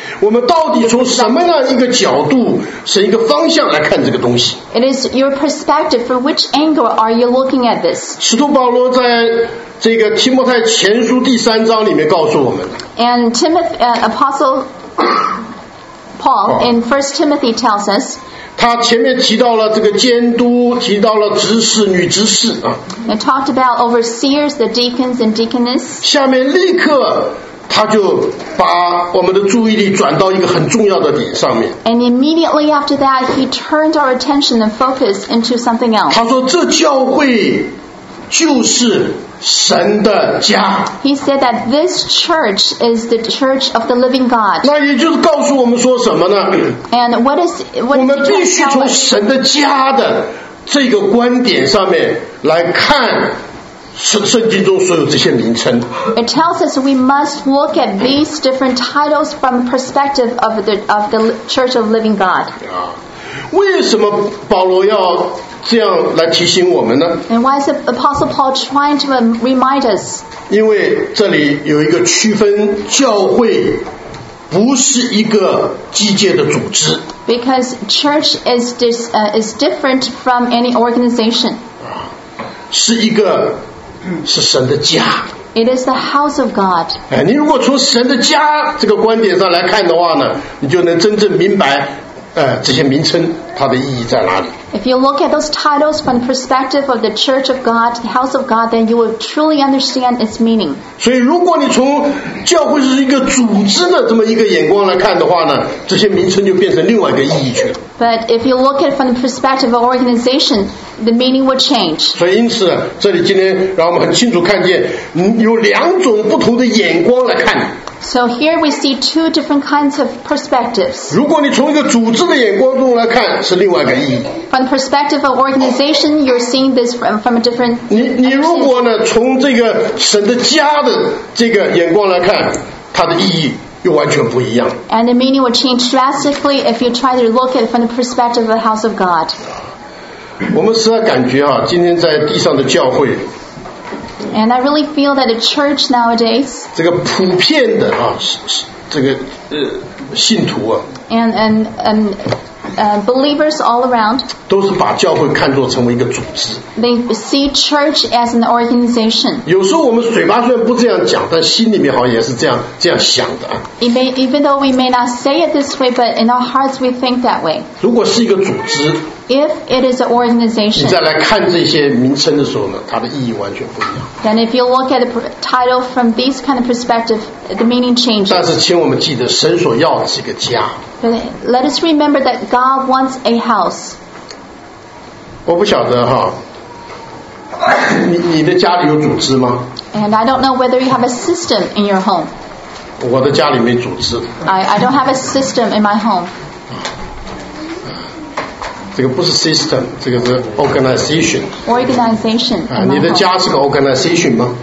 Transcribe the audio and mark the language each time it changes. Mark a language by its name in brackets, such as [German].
[Chinese] 我们到底从什么样一个角度，是一个方向来看这个东西 [English] ？It is your perspective. From which angle are you looking at this? [Chinese] 使徒保罗在这个提摩太前书第三章里面告诉我们。 [English] And Timothy, Apostle Paul in 1 Timothy tells us. [Chinese] 他前面提到了这个监督，提到了执事、女执事啊。 [English] It talked about overseers, the deacons and deaconess. [Chinese] 下面立刻他就把我们的注意力转到一个很重要的点上面。 [English] And immediately after that, he turned our attention and focus into something else. [Chinese] 他说这教会就是神的家。 [English] He said that this church is the church of the living God. [Chinese] 那也就是告诉我们说什么呢 [English] ？And what is what? [Chinese] 我们必须从神的家的这个观点上面来看圣经中所有这些名称。 [English] It tells us we must look at these different titles from the perspective of the church of living God. [Chinese] 为什么保罗要这样来提醒我们呢 [English] ？And why is Apostle Paul trying to remind us? [Chinese] 因为这里有一个区分，教会不是一个机械的组织。 [English] Because church is different from any organization. [Chinese] 是一个是神的家。 [English] It is the house of God. [Chinese] 你如果从神的家这个观点上来看的话呢，你就能真正明白。这些名称它的意义在哪里 [English] ？If you look at those titles from the perspective of the Church of God, the House of God, then you will truly understand its meaning. [Chinese] 所以，如果你从教会是一个组织的这么一个眼光来看的话呢，这些名称就变成另外一个意义去了。 [English] But if you look at it from the perspective of organization, the meaning will change. [Chinese] 所以，因此，这里今天让我们很清楚看见，有两种不同的眼光来看。 [English] So here we see two different kinds of perspectives. [Chinese] 如果你从一个组织的眼光中来看，是另外一个意义。 [English] From the perspective of organization, you're seeing this from a different. [Chinese] 你如果呢，从这个神的家的这个眼光来看，它的意义又完全不一样。 [English] And the meaning will change drastically if you try to look at it from the perspective of the house of God. [Chinese] 我们实在感觉啊，今天在地上的教会。 [English] And I really feel that the church nowadays. [Chinese] 这个普遍的啊，这个信徒啊。 [English] And believers all around. [Chinese] 都是把教会看作成为一个组织。 [English] They see church as an organization. [Chinese] 有时候我们嘴巴虽然不这样讲，但心里面好像也是这样想的。 [English] Even though we may not say it this way, but in our hearts we think that way. [Chinese] 如果是一个组织。 [English] If it is an organization, [Chinese] 你再来看这些名称的时候呢，它的意义完全不一样。 [English] Then if you look at the title from these kind of perspective, the meaning changes. [Chinese] 但是请我们记得，神所要的是一个家。 [English] But let us remember that God wants a house. [Chinese] 我不晓得哈，你的家里有组织吗？ [English] And I don't know whether you have a system in your home. [Chinese] 我的家里没组织。 [English] I don't have a system in my home. [Chinese] 这个不是 system， 这个是 organization。 [English] organization、啊。 [Chinese] 你的家是个 organization 吗？